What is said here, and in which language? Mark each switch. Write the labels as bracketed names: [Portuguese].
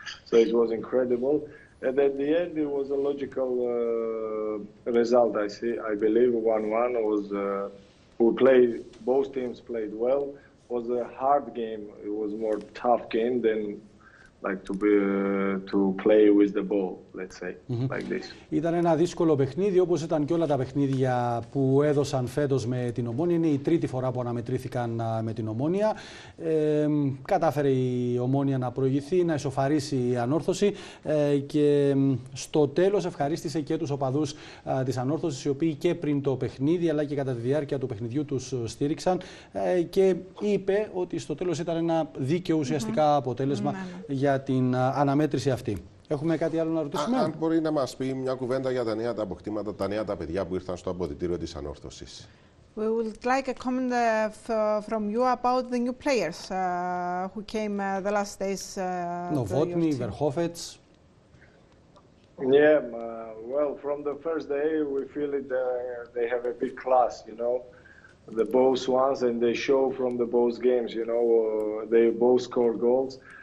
[English] So it was incredible. And at the end, it was a logical result. I believe 1-1 was. We played. Both teams played well. It was a hard game. It was more tough game than like to be to play with the ball, let's say, mm-hmm. like this. [Greek] Ήταν ένα δύσκολο παιχνίδι, όπως ήταν και όλα τα παιχνίδια που έδωσαν φέτος με την Ομόνια. Είναι η τρίτη φορά που αναμετρήθηκαν με την Ομόνια. Κατάφερε η Ομόνια να προηγηθεί, να ισοφαρίσει η Ανόρθωση και στο τέλος ευχαρίστησε και τους οπαδούς της Ανόρθωσης, οι οποίοι και πριν το παιχνίδι αλλά και κατά τη διάρκεια του παιχνιδιού τους στήριξαν και είπε ότι στο τέλος ήταν ένα δίκαιο ουσιαστικά mm-hmm. αποτέλεσμα mm-hmm. για την αναμέτρηση αυτή. Έχουμε κάτι άλλο να ρωτήσουμε. Αν μπορεί να μας πει μια κουβέντα για τα νέα τα αποκτήματα, τα νέα τα παιδιά που ήρθαν στο αποδυτήριο της Ανόρθωσης. [English] We would like a comment from you about the new players who came the last days. Novotny, Verhofetz. Yeah, well, from the first day we feel it. They have a big class, you know. The both ones, and they show from the both games, you know, they both score goals.